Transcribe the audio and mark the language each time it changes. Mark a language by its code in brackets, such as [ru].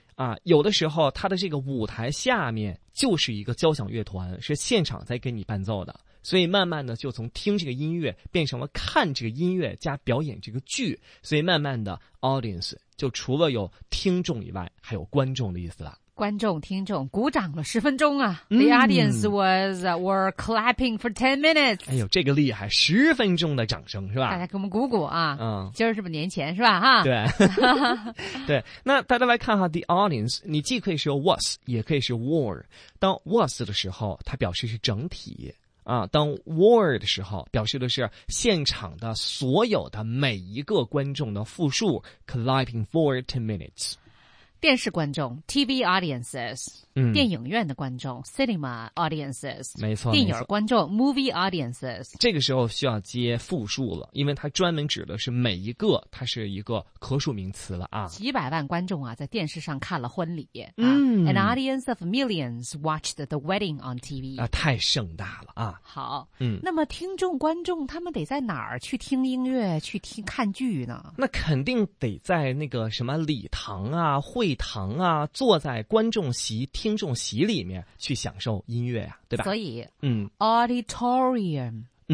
[zh] 啊，有的时候他的这个舞台下面就是一个交响乐团，是现场在给你伴奏的，所以慢慢的就从听这个音乐变成了看这个音乐加表演这个剧，所以慢慢的 audience 就除了有听众以外还有观众的意思了。观众听众鼓掌了10分钟啊、 [en] The audience were clapping for 10 minutes。 [zh] 哎呦，这个厉害，十分钟的掌声是吧，大家给我们鼓鼓啊。今儿是不是年前是吧哈？对对，那大家来看哈 The audience， 你既可以说 was 也可以是 were， 当 was 的时候它表示是整体啊，当 were 的时候表示的是现场的所有的每一个观众的复数。 [en] clapping for 10 minutes， [zh] 电视观众 [en] TV audiences， [zh] 电影院的观众 [en] cinema audiences， [zh] 没错，电影观众 [en] movie audiences。 [zh] 这个时候需要接复数了，因为它专门指的是每一个，它是一个可数名词了啊。几百万观众啊在电视上看了婚礼啊， [en] an audience of millions watched the wedding on TV [zh] 啊，太盛大了啊。好，那么听众观众他们得在哪儿去听音乐去听看剧呢？那肯定得在那个什么礼堂啊会堂啊，坐在观众席听众席里面去享受音乐啊，对吧？所以auditorium，